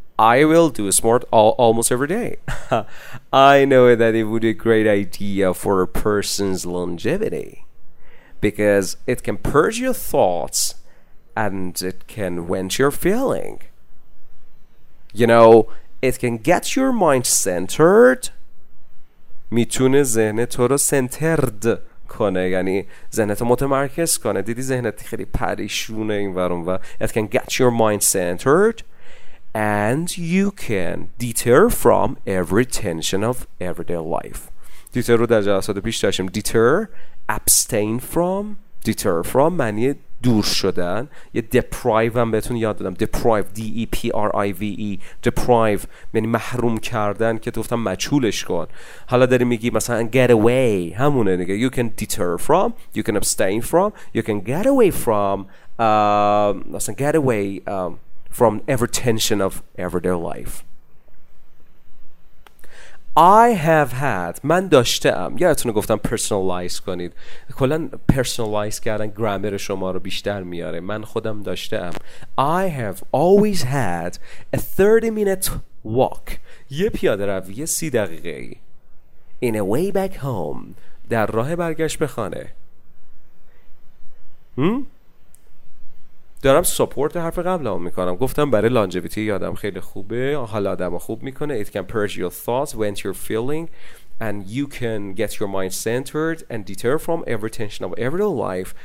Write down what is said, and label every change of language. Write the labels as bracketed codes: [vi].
[en] I will do smart almost every day. I know that it would be a great idea for a person's longevity because it can purge your thoughts and it can quench your feeling. You know, it can get your mind centered. [fa] میتونه ذهن تو رو سنترد کنه، یعنی ذهنت رو متمرکز کنه. دیدی ذهنت خیلی پریشونه این ور اون ور. [en] It can get your mind centered and you can deter from every tension of everyday life. [fa] دیتر رو در جلسات پیش داشتیم. دیتر، abstain from، دیتر from معنی دور شدن. یه deprive هم بهتون یاد دادم. deprive، deprive، deprive یعنی محروم کردن، که تو گفتم مجهولش کن. حالا داری میگی مثلا get away، همونه نگه. [en] you can deter from، you can abstain from، you can get away from، [fa] مثلا [en] get away from every tension of everyday life. I have had، [fa] من داشتم، یادتونه گفتم personalize کنید، کلن personalize کردن گرامر شما رو بیشتر میاره. من خودم داشتم، [en] I have always had a 30 minute walk، [fa] یه پیاده روی 30 دقیقه ای، [en] in a way back home، [fa] در راه برگشت به خانه. دارم سپورت حرف قبل هم میکنم، گفتم برای لانجویتی یادم خیلی خوبه، حال آدم خوب میکنه. [en] It can purge your thoughts, vent your feeling, and you can get your mind centered and deter from every tension of every life.